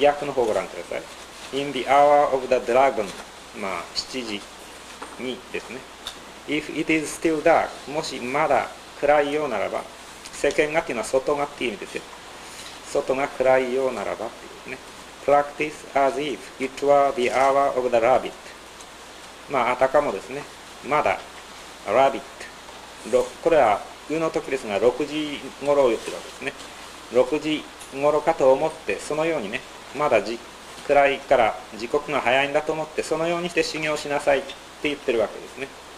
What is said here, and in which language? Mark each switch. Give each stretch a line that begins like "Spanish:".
Japanese: で、訳の方をご覧ください。
English: In the hour of the dragon、
Japanese: まあ、7時にですね。
English: If it is still dark、
Japanese: もしまだ暗いようならば、世間がっていうのは外がっていう意味ですよ。外が暗いようならばっていうね。
English: Practice as if it were the hour of the rabbit。
Japanese: まあ、あたかもですね、まだ rabbit、 これはうの時ですが、6時頃を言ってるわけですね。 6時頃かと思って、そのようにね、まだ暗いから時刻が早いんだと思って、そのようにして修行しなさいって言ってるわけですね。